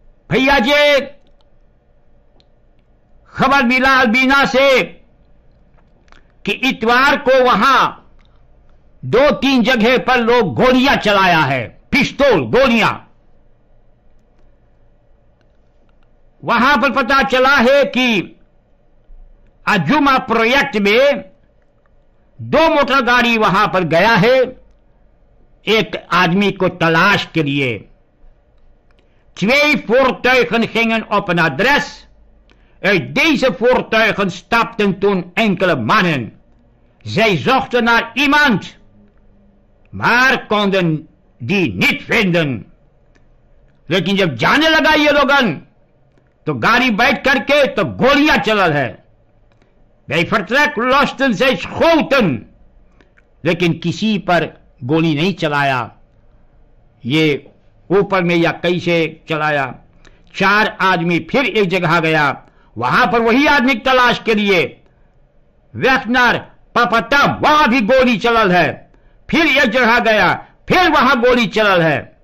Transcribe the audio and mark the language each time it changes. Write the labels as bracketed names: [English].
[Hindi] भैया जी खबर मिला बीना से कि इतवार को वहां 2-3 जगह पर लोग गोलियां चलाया है, पिस्तौल गोलियां, वहां पर पता चला है कि अजुमा प्रोजेक्ट में 2 मोटर गाड़ी वहां पर गया है एक आदमी को तलाश के लिए। [Dutch] 2 voertuigen gingen op een adres. Uit deze voertuigen stapten toen enkele mannen. Zij zochten naar iemand, maar konden die niet vinden. [Hindi] लेकिन जब जाने लगा ये लोगन तो गाड़ी बैठ करके तो गोलियां चलल है। [Dutch] Bij vertrek losten zij schoten. [Hindi] लेकिन किसी पर गोली नहीं चलाया, ये ऊपर में या कैसे चलाया। 4 आदमी फिर एक जगह गया, वहां पर वही आदमी तलाश के लिए। वेक्नर पपटा वहां भी गोली चलल है, फिर एक जगह गया, फिर वहां गोली चलल है।